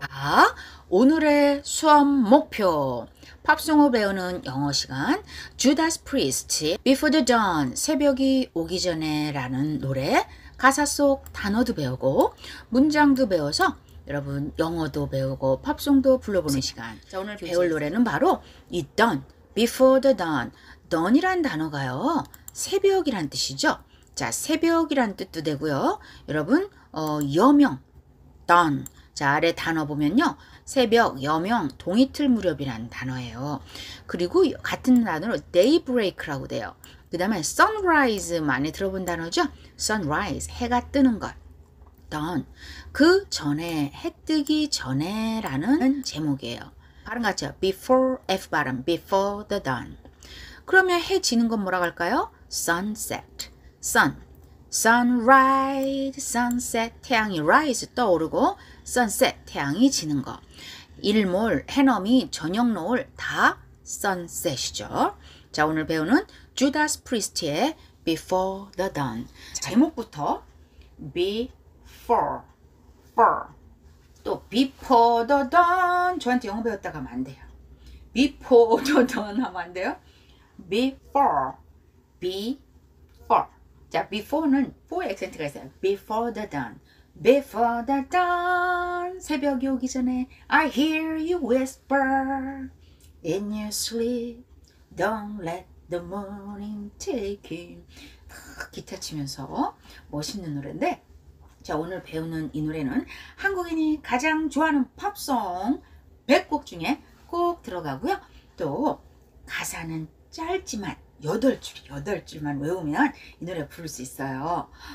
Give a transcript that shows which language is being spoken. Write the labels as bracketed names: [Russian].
[Korean] 자, 오늘의 수업 목표. 팝송을 배우는 영어 시간. Judas Priest, Before the Dawn, 새벽이 오기 전에 라는 노래. 가사 속 단어도 배우고 문장도 배워서 여러분 영어도 배우고 팝송도 불러보는 시간. 자, 오늘 배울 교재. 노래는 바로 이 Dawn, Before the Dawn. Dawn이란 단어가요, 새벽이란 뜻이죠. 자, 새벽이란 뜻도 되고요. 여러분, 여명, Dawn. 자, 아래 단어 보면요. 새벽, 여명, 동이틀 무렵이란 단어예요. 그리고 같은 단어로 Daybreak라고 돼요. 그 다음에 Sunrise 많이 들어본 단어죠. Sunrise, 해가 뜨는 것. Dawn. 그 전에, 해 뜨기 전에 라는 제목이에요. 발음 같죠? [English] Before, F 발음. Before the dawn. [Korean] 그러면 해 지는 건 뭐라고 할까요? [English] Sunset. Sun. Sunrise, sunset. [Korean] 태양이 rise, 떠오르고. Sunset, 태양이 지는 거. 일몰, 해넘이, 저녁 노을 다 sunset이죠. 자, 오늘 배우는 Judas Priest의 Before the Dawn. 제목부터 Before. [English] 또 Before the Dawn. [Korean] 저한테 영어 배웠다가 하면 안 돼요. Before the Dawn 하면 안 돼요. [English] Before. [Korean] 자, Before는 4의 액센트가 있어요. [English] Before the Dawn. Before the dawn, [Korean] 새벽이 오기 전에 [English] I hear you whisper in your sleep. Don't let the morning take him. [Korean] 기타 치면서 멋있는 노래인데, 자, 오늘 배우는 이 노래는 한국인이 가장 좋아하는 팝송 100곡 중에 꼭 들어가고요. 또 가사는 짧지만 8줄만 외우면 이 노래 부를 수 있어요.